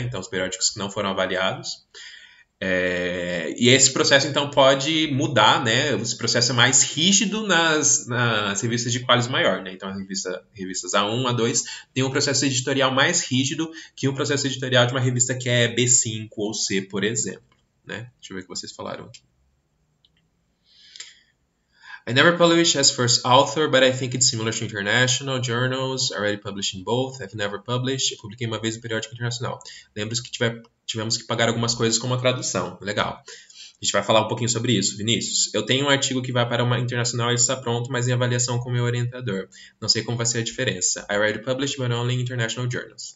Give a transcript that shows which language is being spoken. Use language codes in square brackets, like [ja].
[pt] Então, os periódicos que não foram avaliados. E esse processo então pode mudar, né? Esse processo é mais rígido nas revistas de qualis maior, né? Então, revistas A1, A2 tem um processo editorial mais rígido que o um processo editorial de uma revista que é B5 ou C, por exemplo, né? Deixa eu ver o que vocês falaram aqui. [en] I never published as first author, but I think it's similar to international journals, already published in both, I've never published, [pt] eu publiquei uma vez no periódico internacional. Lembre-se que tivemos que pagar algumas coisas como a tradução. Legal. A gente vai falar um pouquinho sobre isso, Vinícius. Eu tenho um artigo que vai para uma internacional e está pronto, mas em avaliação com o meu orientador. Não sei como vai ser a diferença. [en] I already published, but only in international journals.